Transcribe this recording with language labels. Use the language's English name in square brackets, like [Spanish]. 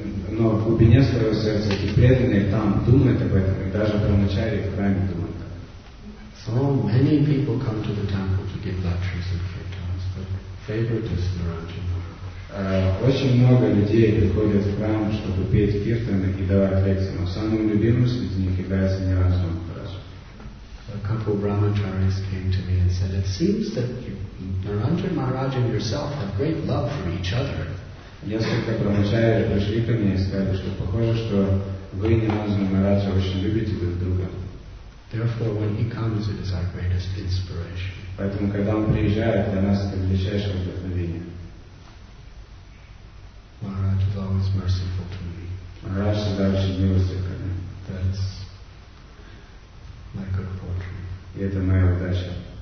[Russian] Но в глубине своего сердца эти преданные там думают об этом, и даже брахмачари в храме думают. [English] So many people come to the temple to give lectures and kirtans, but favoritism around you. [Russian] Очень много людей приходят в храм, чтобы петь киртаны и давать лекции, но самым любимым среди них является Ниранджана Махарадж. [English] A couple of brahmacharis came to me and said, it seems that Ниранджана Махарадж and yourself have great love for each other. [Russian] Несколько брахмачари пришли ко мне и сказали, что похоже, что вы, Ниранджана Махарадж, очень любите друг друга. [English] Therefore, when he comes, it is our greatest inspiration. [Russian] Поэтому, когда он приезжает, для нас это величайшее вдохновение. [English] Maharaj is always merciful to me. [Russian] Maharaj всегда очень милостив ко мне. [English] That's my good fortune. [Russian] И это моя удача.